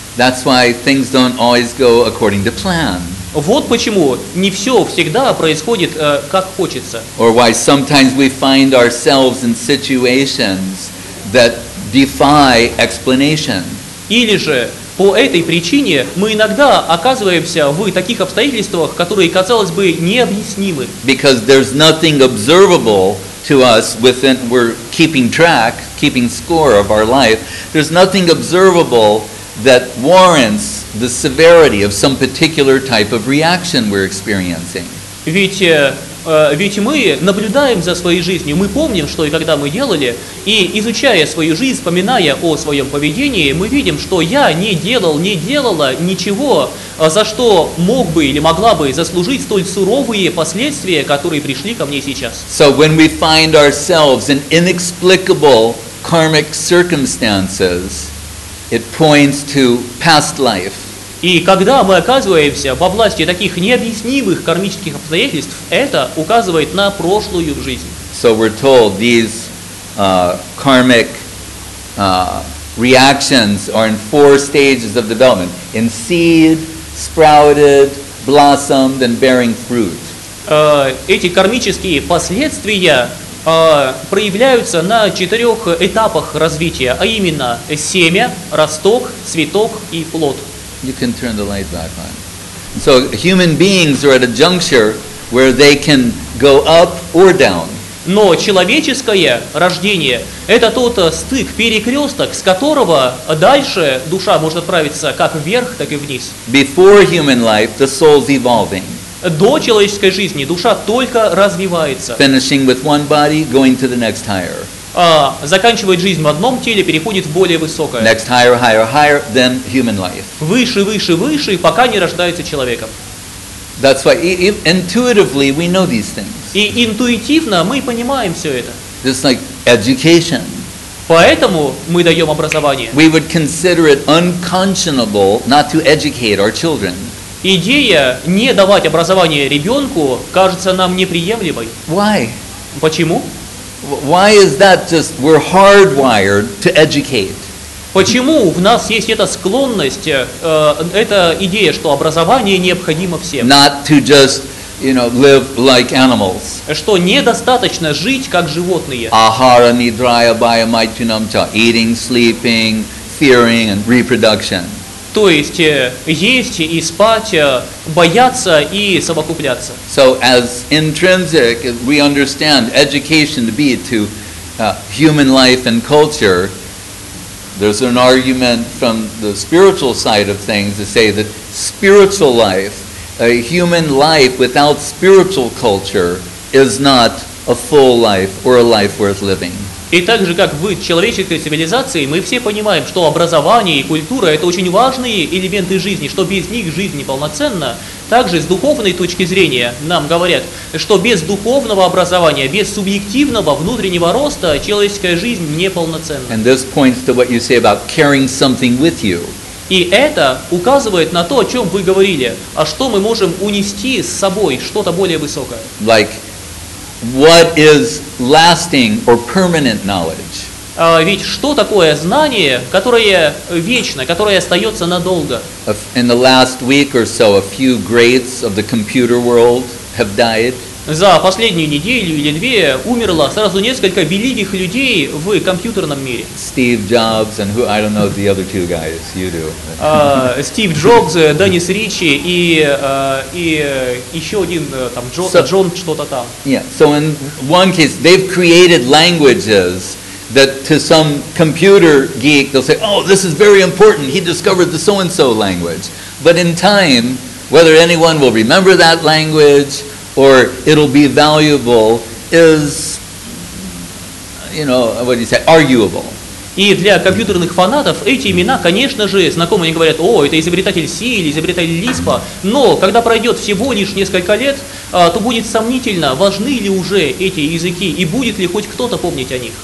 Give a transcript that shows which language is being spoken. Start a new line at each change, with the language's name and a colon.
English: That's why things don't always go according to plan.
Russian: Вот почему не все всегда происходит как хочется.
English: Or why sometimes we find ourselves in situations that defy explanation.
Russian: Или же по этой причине мы иногда оказываемся в таких обстоятельствах, которые, казалось бы, необъяснимы.
English: Because there's nothing observable to us within, we're keeping track, keeping score of our life. There's nothing observable that warrants the severity of some particular type of reaction we're experiencing.
Russian: Ведь мы наблюдаем за своей жизнью, мы помним, что и когда мы делали, и изучая свою жизнь, вспоминая о своем поведении, мы видим, что я не делал, не делала ничего, за что мог бы или могла бы заслужить столь суровые последствия, которые пришли ко мне сейчас.
English: So when we find ourselves in inexplicable karmic circumstances, it points to past life.
Russian: И когда мы оказываемся во власти таких необъяснимых кармических обстоятельств, это указывает на прошлую жизнь.
English: So we're told these karmic reactions are in four stages of development: in seed, sprouted, blossomed, and bearing fruit.
Russian: Эти кармические последствия проявляются на четырех этапах развития, а именно семя, росток, цветок и плод.
English: You can turn the light back on. So human beings are at a juncture where they can go up or down.
Russian: Но человеческое рождение — это тот стык, перекресток, с которого дальше душа может отправиться как вверх, так и вниз.
English: Before human life, the soul's evolving.
Russian: До человеческой жизни душа только развивается.
English: Finishing with one body, going to the next higher.
Russian: Заканчивает жизнь в одном теле, переходит в более высокое.
English: Next higher, higher, higher, then human life.
Russian: Выше, выше, выше, пока не рождается человеком.
English: That's why intuitively we know these things.
Russian: И интуитивно мы понимаем все это.
English: Just like education.
Russian: Поэтому мы даем образование.
English: We would consider it unconscionable not to educate our children.
Russian: Идея не давать образование ребенку кажется нам неприемлемой.
English: Why?
Russian: Почему?
English: Why is that just we're hardwired to educate?
Russian: Почему в нас есть эта склонность, эта идея, что образование необходимо всем?
English: Not to just, you know, live like animals.
Russian: Что недостаточно жить как животные.
Sanskrit: Ahara, nidra, abhaya, maitrinam cha.
English: Eating, sleeping, fearing, and reproduction.
Russian: То есть есть и спать, бояться и совокупляться.
English: So as intrinsic, we understand education to be to human life and culture. There's an argument from the spiritual side of things to say that spiritual life, a human life without spiritual culture, is not a full life or a life worth living.
Russian: И так же, как в человеческой цивилизации, мы все понимаем, что образование и культура — это очень важные элементы жизни, что без них жизнь неполноценна. Также с духовной точки зрения нам говорят, что без духовного образования, без субъективного внутреннего роста человеческая жизнь неполноценна.
English: And this points to what you say about carrying something with you.
Russian: И это указывает на то, о чем вы говорили, а что мы можем унести с собой, что-то более высокое.
English: Like what is lasting or permanent knowledge?
Russian: Ведь что такое знание, которое вечно, которое остается надолго?
English: In the last week or so, a few greats of the computer world have died.
Russian: За последнюю неделю или две умерло сразу несколько великих людей в компьютерном мире.
English: Steve Jobs and who, I don't know the other two guys, you do.
Russian: Steve Jobs, Деннис Ричи и еще один там Джон что-то там.
English: Yeah, so in one case, they've created languages that to some computer geek, they'll say, oh, this is very important, he discovered the so-and-so language. But in time, whether anyone will remember that language, or it'll be valuable is, you know, what do you say, arguable.
Russian: И для компьютерных фанатов эти имена, конечно же, знакомы. Они говорят, о, это изобретатель Си или изобретатель Лиспа. Но когда пройдет всего лишь несколько лет, то будет сомнительно, важны ли уже эти языки и будет ли хоть кто-то помнить о них.